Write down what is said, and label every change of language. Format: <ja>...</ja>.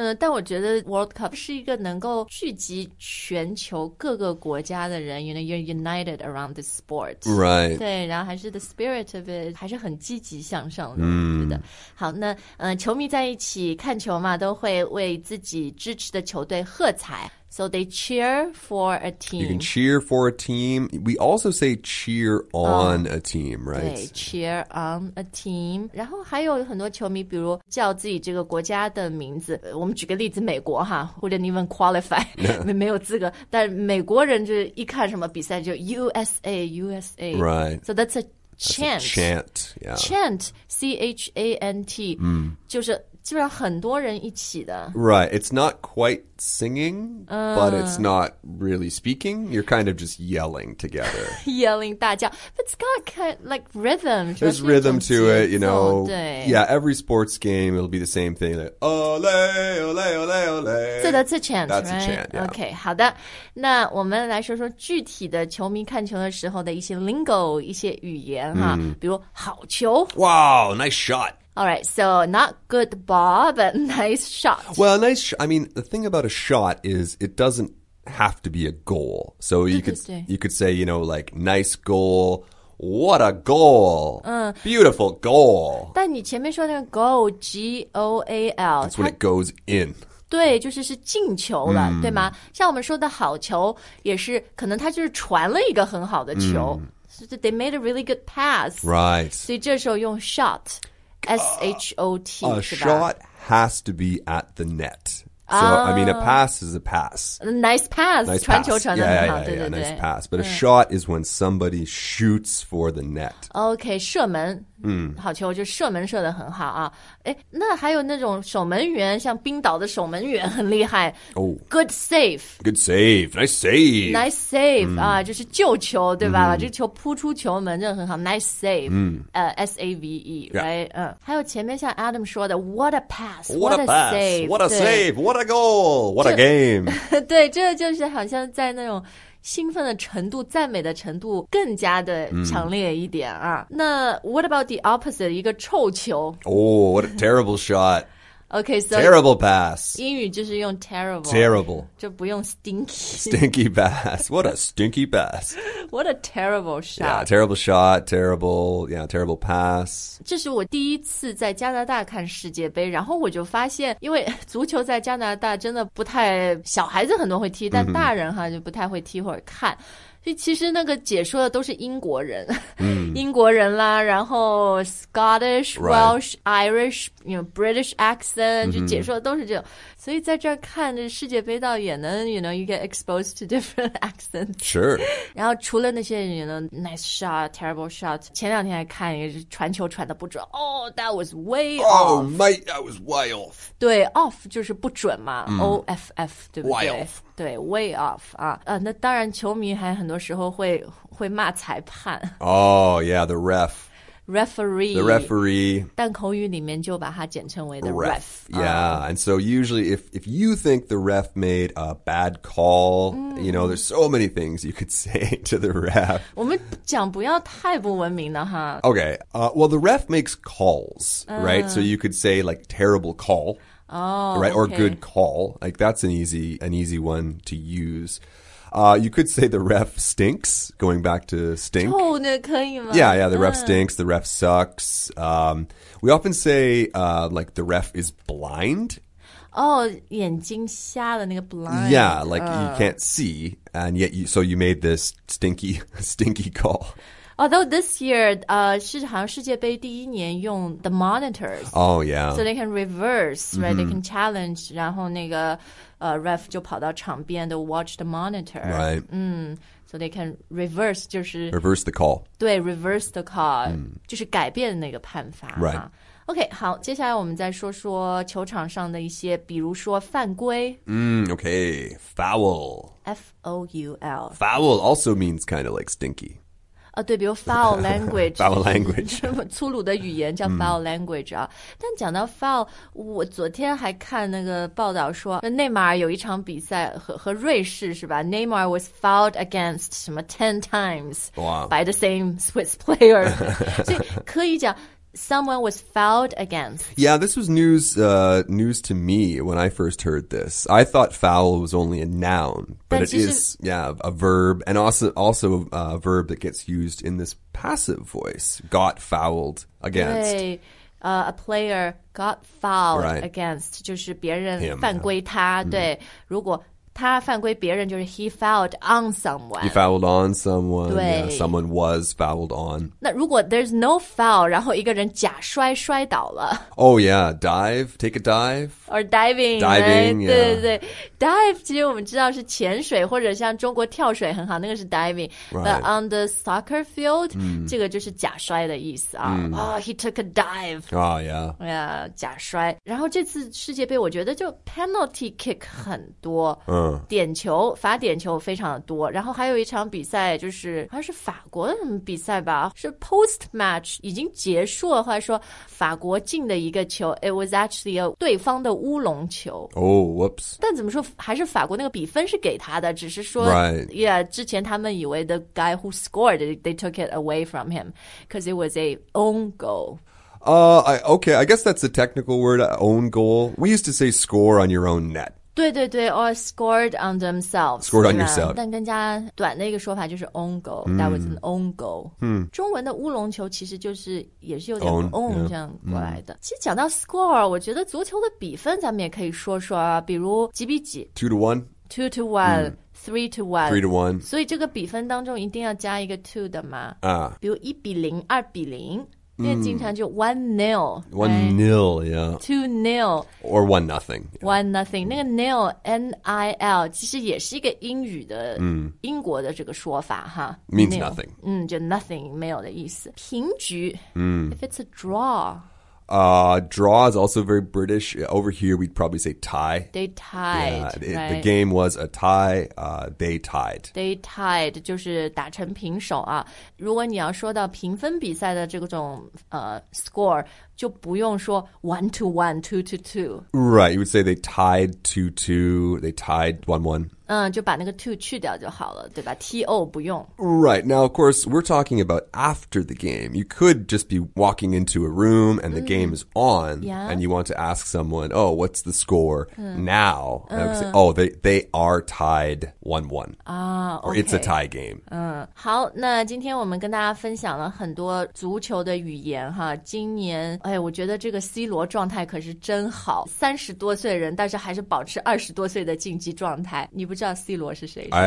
<zh>但我觉得 World Cup 是一个能够聚集全球各个国家的人</zh> <en>you know, you're united around this sport. Right.</en> <zh>对然后还是</zh> <en>the spirit of it</en> <zh>还是很积极向上的、 mm. 好那、球迷在一起看球嘛都会为自己支持的球队喝彩</zh> <en>So they cheer for a team. You can cheer for a team. We also say cheer on、a team, right? 对 cheer on a team.</en> <zh>然后还有很多球迷比如叫自己这个国家的名字。我们举个例子美国哈</zh> <en>wouldn't even qualify,</en> <zh>没有资格。但美国人就一看什么比赛就 USA, USA.</zh> <en>Right. So that's a chant. A chant, yeah. Chant, C-H-A-N-T,、 mm.</en> <zh>就是基本上很多人一起的。</zh> <en>Right, it's not quite... singing, but it's not really speaking. You're kind of just yelling together. yelling,</en> <zh>大叫</zh> <en>It's got kind of like rhythm. There's rhythm to it, you know.</en> <zh>对</zh> <en>yeah, every sports game, it'll be the same thing. Like, ole, ole, ole, ole. So that's a chant, that's right? That's a chant, yeah.</en> <zh>Okay, 好的。那我们来说说具体的球迷看球的时候的一些 lingo, 一些语言哈、比如好球。</zh> <en>Wow, nice shot. All right, so not good ball, but nice shot. Well, nice, I mean, the thing about a shot is it doesn't have to be a goal. So you could say, you know, like, nice goal. What a goal.、Beautiful goal.</en> <zh>但你前面说那个 goal, G-O-A-L.</zh> <en>That's when it goes in.</en> <zh>对就是是进球了、对吗像我们说的好球也是可能他就是传了一个很好的球。</zh> <en>They made a really good pass. Right.</en> <zh>所以这时候用 shot, S-H-O-T,</zh> <en>a shot has to be at the net. So, I mean, a pass is a pass. Nice pass. Nice</en> <zh>传球传得很好</zh> <en>yeah, yeah, yeah,</en> <zh>对对对</zh> <en>nice pass. But a shot is when somebody shoots for the net.</en> <zh>Okay, 射门好球，就射门射得很好啊。诶，那还有那种守门员，像冰岛的守门员很厉害。</zh> <en>Good save. Good save. Nice save. Nice save.、</en> <zh>啊，就是救球，对吧？这个球扑出球门，这很好。</zh> <en>Nice save. S-A-V-E, right?、 Yeah.</en> <zh>还有前面像 Adam 说的</zh> <en>What a pass. What a save. What a save. What a goal. What a game.</en> <zh>对，这就是好像在那种兴奋的程度、赞美的程度更加的强烈一点啊！</zh> <en>那 what about the opposite?</en> <zh>一个臭球。</zh> <en>Oh, what a terrible shot. Okay, so terrible pass.</en> <zh>英语就是用 terrible.</zh> <en>Terrible.</en> <zh>就不用 stinky.</zh> <en>Stinky pass. What a stinky pass. What a terrible shot. Yeah, terrible shot, terrible, yeah, terrible pass.</en> <zh>这是我第一次在加拿大看世界杯，然后我就发现，因为足球在加拿大真的不太，小孩子很多会踢，但大人哈就不太会踢或者看。其实那个解说的都是英国人、英国人啦，然后 Scottish,、</zh> <en>right. Welsh, Irish, you know, British accent,、</en> <zh>就解说的都是这种。所以在这儿看这世界杯倒也能</zh> <en>you know, you get exposed to different accents. Sure.</en> <zh>然后除了那些</zh> <en>you know, nice shot, terrible shot,</en> <zh>前两天还看一个传球传的不准。</zh> <en>Oh, that was way off. Oh, mate, that was way off.</en> <zh>对 ,off 就是不准嘛、OFF, 对不对</zh> <en>?Way off.</en> <zh>对 ,</zh> <en>way off,</en> <zh>啊、那当然球迷还很多时候会骂裁判。</zh> <en>Oh, yeah, the ref. Referee. The referee.</en> <zh>但口语里面就把它简称为 the</zh> <en>ref. Yeah,、and so usually if you think the ref made a bad call,、you know, there's so many things you could say to the ref.</en> <zh>我们讲不要太不文明的哈。</zh> <en>Okay,、well, the ref makes calls,、right? So you could say like terrible call. Oh, right, or、 okay. good call. Like, that's an easy one to use. You could say the ref stinks, going back to stink.</en> <zh>臭的可以吗?</zh> <en>Yeah, yeah, the ref stinks, the ref sucks. We often say, like, the ref is blind.</en> <zh>Oh, 眼睛瞎了那个 blind.</zh> <en>Yeah, like, you can't see, and yet, so you made this stinky call. Although this year,</en> <zh>是好像世界杯第一年用</zh> <en>the monitors. Oh, yeah. So they can reverse, right?、They can challenge,</en> <zh>然后那个、ref 就跑到场边</zh> <en>to watch the monitor. Right.、 So they can reverse,</en> <zh>就是</zh> <en>reverse the call.</en> <zh>对</zh> <en>reverse the call,、</en> <zh>就是改变那个判罚。</zh> <en>Right.、</en> <zh>OK, 好接下来我们再说说球场上的一些比如说犯规。</zh> <en>OK, foul. F-O-U-L. Foul also means kind of like stinky.</en> <zh>对比如 foul language</zh> <en>foul language</en> <zh>粗鲁的语言叫 foul language、但讲到 foul 我昨天还看那个报道说内马尔有一场比赛 和瑞士是吧</zh> <en>Neymar was fouled against</en> <zh>什么</zh> <en>10 times、by the same Swiss player</en> <zh>所以可以讲</zh> <en>someone was fouled against Yeah, this was news,、news to me when I first heard this I thought foul was only a nounBut it is, yeah, a verb, and also a verb that gets used in this passive voice, got fouled against. 对、a player got fouled、 right.</en> <zh>against, 就是别人犯规他、对、如果他犯规别人就是</zh> <en>he fouled on someone. He fouled on someone,</en> <zh>对、</zh> <en>someone was fouled on.</en> <zh>那如果</zh> <en>there's no foul,</en> <zh>然后一个人假摔倒了。</zh> <en>Oh yeah, dive, take a dive. Or diving, right? Yeah.</en> <zh>对对对。 Dive 其实我们知道是潜水或者像中国跳水很好那个是 diving.、</zh> <en>Right. But on the soccer field,、</en> <zh>这个就是假摔的意思啊。</zh> <en>He took a dive. Oh yeah.</en> <zh>Yeah, 假摔。然后这次世界杯我觉得就 penalty kick 很多。点球罚点球非常的多然后还有一场比赛就是好像是法国的什么比赛吧是 post match 已经结束了或者说法国进的一个球</zh> <en>it was actually a</en> <zh>对方的乌龙球</zh> <en>oh whoops</en> <zh>但怎么说还是法国那个比分是给他的只是说、</zh> <en>right. yeah</en> <zh>之前他们以为</zh> <en>the guy who scored they took it away from him because it was a own goal okay I guess that's a technical word own goal we used to say score on your own net</en> <zh>对对对</zh> <en>or scored on themselves. Scored on yourself.</en> <zh>但更加短的一个说法就是 own goal.、</zh> <en>That was an own goal.、</en> <zh>中文的乌龙球其实就是也是有点 own 这样过来的。</zh> <en>Yeah.</en> <zh>其实讲到 score, 我觉得足球的比分咱们也可以说说啊比如几比几</zh> <en>2-1. 2-1.、3-1. 3-1.</en> <zh>所以这个比分当中一定要加一个2的嘛。比如1-0, 2-0。因为经常就</zh> <en>1-0 yeah 2-0 or 1-0</en> <zh>1-0 那个 nil N-I-L 其实也是一个英语的英国的这个说法哈</zh> <en>means nil, nothing</en> <zh>就 nothing 没有的意思平局</zh> <en>if it's a draw Draw is also very British. Over here, we'd probably say tie. They tied, yeah, right? The game was a tie. They tied.</en> <zh>They tied, 就是打成平手啊。如果你要说到评分比赛的这种score, 就不用说 1-1, 2-2.</zh> <en>Right, you would say they tied 2-2, they tied 1-1.</en> <zh>就把那个 to 去掉就好了对吧 TO 不用</zh> <en>Right, now of course we're talking about after the game You could just be walking into a room and the game is on、 yeah. And you want to ask someone, oh, what's the score now? Say, oh, they are tied 1-1、 okay. Or it's a tie game、</en> <zh>好那今天我们跟大家分享了很多足球的语言哈今年哎，我觉得这个 C 罗状态可是真好30多岁人但是还是保持20多岁的竞技状态你不知道 C 罗是谁是吧</zh>